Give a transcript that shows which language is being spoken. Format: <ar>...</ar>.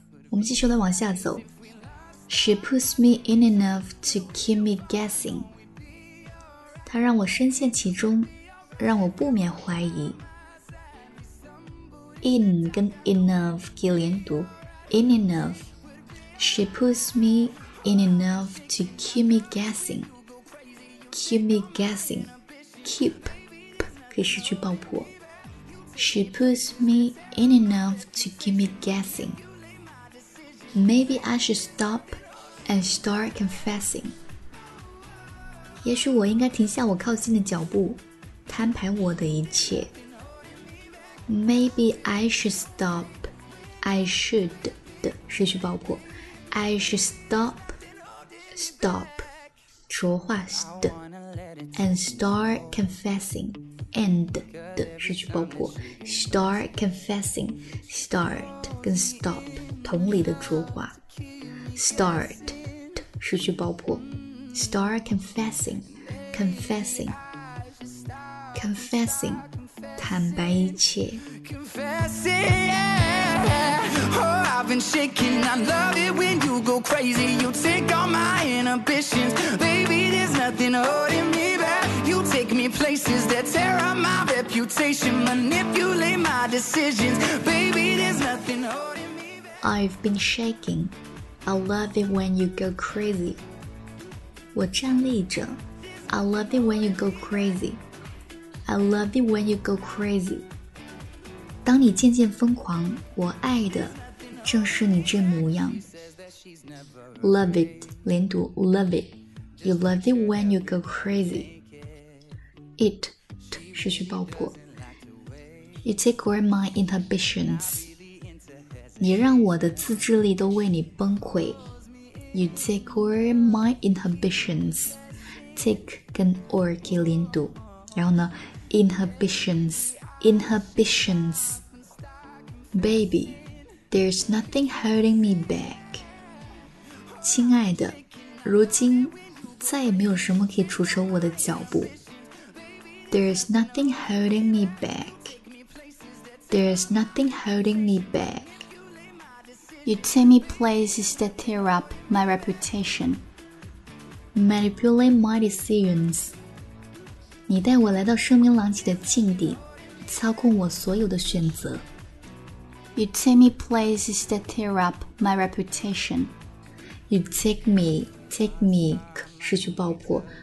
<zh>我们继续来往下走</zh> <en>She puts me in enough to keep me guessing.</en> <zh>他让我深陷其中，让我不免怀疑。 In 跟 enough 可以连读 ，in enough。</zh> <en>She puts me in enough to keep me guessing. Keep me guessing.</en> <zh>Keep 可以失去爆破。</zh> <en>She puts me in enough to keep me guessing. Maybe I should stop and start confessing.</en> <zh>也许我应该停下我靠近的脚步，摊牌我的一切。</zh> <en>Maybe I should stop. I should</en> <zh>的失去爆破。</zh> <en>I should stop. Stop.</en> <zh>说话的。</zh> <en>And start confessing. And</en> <zh>的失去爆破。</zh> <en>Start confessing.</en> <zh>Start 跟 stop 同理的说话。 Start 的失去爆破。</zh> <en>Start confessing, confessing, confessing,</en> <zh>坦白一切。</zh> <en>Confessing, yeah. Oh, I've been shaking. I love it when you go crazy. You take all my inhibitions. Baby, there's nothing holding me back. You take me places that tear up my reputation. Manipulate my decisions. Baby, there's nothing holding me back. I've been shaking. I love it when you go crazy.</en> <zh>我站立着</zh> <en>I love it when you go crazy. I love it when you go crazy.</en> <zh>当你渐渐疯狂，我爱的正是你这模样。</zh> <en>Love it,</en> <zh>连读</zh> <en>love it. You love it when you go crazy. It,</en> <zh>失去爆破。</zh> <en>You take away my inhibitions.</en> <zh>你让我的自制力都为你崩溃。</zh> <en>You take away my inhibitions.</en> <zh>Take 跟 or 可以连读，然后呢 inhibitions.</zh> <en>Baby, there's nothing holding me back.</en> <zh>亲爱的，如今再也没有什么可以阻止我的脚步。</zh> <en>There's nothing holding me back. There's nothing holding me back. You take me places that tear up my reputation. Manipulate my decisions.</en> <zh>你带我来到声名狼藉的境地，操控我所有的选择。</zh> <en>You take me places that tear up my reputation. You take me,</en> <zh>失去爆破。</zh>